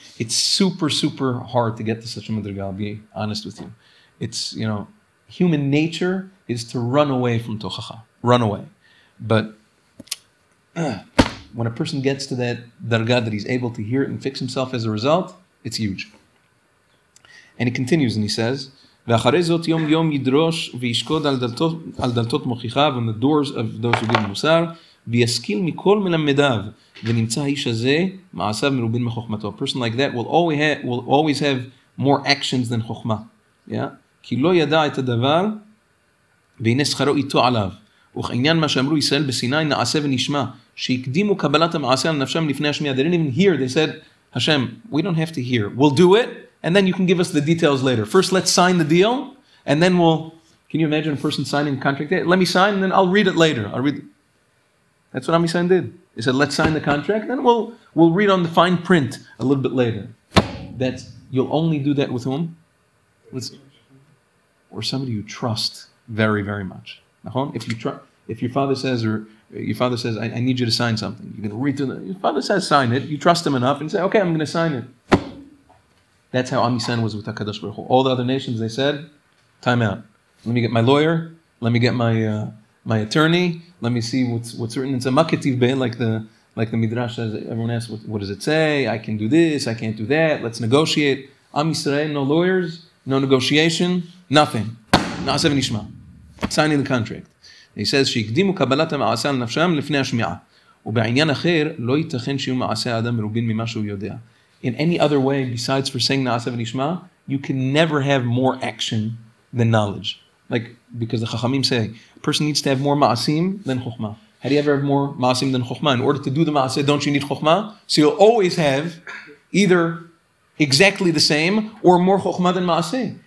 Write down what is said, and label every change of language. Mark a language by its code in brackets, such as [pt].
[en] It's super, super hard to get to such a madrigal, I'll be honest with you. It's, you know, human nature is to run away from tochacha, run away. But when a person gets to that dargah that he's able to hear it and fix himself as a result, it's huge. And he continues and he says, [he] ואחרי זאת יום יום ידרוש וישקוד על דלתות מוכיחה [en] on the doors of those who give [he] מוסר, וישכיל מכל מלמדיו ונמצא האיש הזה מעשיו מרובין מחוכמתו. [en] A person like that will always have more actions than חוכמה. Yeah? [he] כי לא ידע את הדבר והנה שכרו איתו עליו. וכעניין מה שאמרו ישראל בסיני נעשה ונשמע שהקדימו קבלת המעשה על נפשם לפני השמיע. [en] They didn't even hear. They said, Hashem, we don't have to hear. We'll do it and then you can give us the details later. First let's sign the deal and then we'll... Can you imagine a person signing a contract? Let me sign and then I'll read it later. That's what Amisan did. He said, let's sign the contract and then we'll read on the fine print a little bit later. That's... You'll only do that with whom? Or somebody you trust very, very much. If you trust... If your father says, I need you to sign something, you're going to read to them. Your father says, sign it. You trust him enough and say, okay, I'm going to sign it. That's how Am Yisrael was with HaKadosh Baruch Hu. All the other nations, they said, time out. Let me get my lawyer. Let me get my attorney. Let me see what's written. It's a maketiv bein, like the Midrash says. Everyone asks, what does it say? I can do this. I can't do that. Let's negotiate. Am Yisrael, no lawyers, no negotiation, nothing. Na'asev nishma. Signing the contract. He says, [he] שהקדימו קבלת המעשה על נפשם לפני השמיעה. ובעניין אחר, לא ייתכן שיהיו מעשה האדם מרובין ממה שהוא יודע. [en] In any other way, besides for saying נעשה ונשמה, you can never have more action than knowledge. Like, because the חכמים say, a person needs to have more מעשים than חוכמה. How do you ever have more מעשים than חוכמה? In order to do the מעשה, don't you need חוכמה? So you'll always have either exactly the same or more חוכמה than מעשה.